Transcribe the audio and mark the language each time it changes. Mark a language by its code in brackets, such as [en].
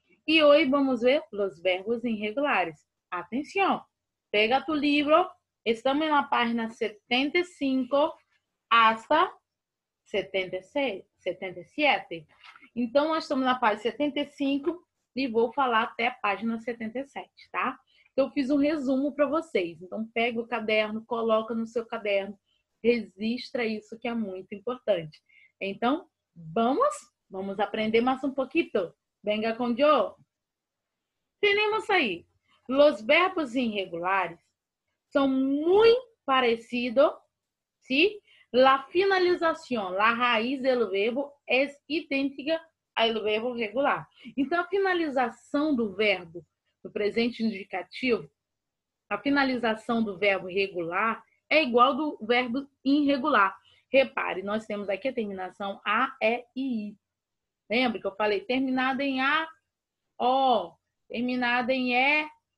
[es] Y hoy vamos a ver los verbos irregulares. Atención, pega tu libro. Estamos en la página 75 hasta 76, 77. Entonces, estamos en la página 75. [pt] E vou falar até a página 77, tá? Eu fiz um resumo para vocês. Então, pega o caderno, coloca no seu caderno, registra isso que é muito importante. Então, vamos aprender mais um pouquinho. [es] Venga con yo. Tenemos [pt] aí. [es] Los verbos irregulares [pt] são muito parecidos, sim? [es] La finalización, la raiz del verbo es idéntica [pt] aí o verbo regular. Então, a finalização do verbo no presente indicativo, a finalização do verbo regular é igual do verbo irregular. Repare, nós temos aqui a terminação a, e, i. Lembra que eu falei terminada em a, o, terminada em e?